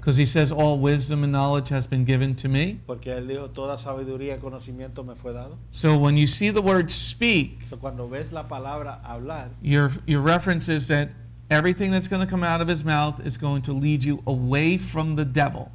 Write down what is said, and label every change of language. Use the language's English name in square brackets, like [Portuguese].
[English] Because he says, all wisdom and knowledge has been given to me. [Spanish] Porque él dijo, toda sabiduría y conocimiento me fue dado. [English] So when you see the word speak, [Spanish] so cuando ves la palabra hablar, [English] your reference is that everything that's going to come out of his mouth is going to lead you away from the devil.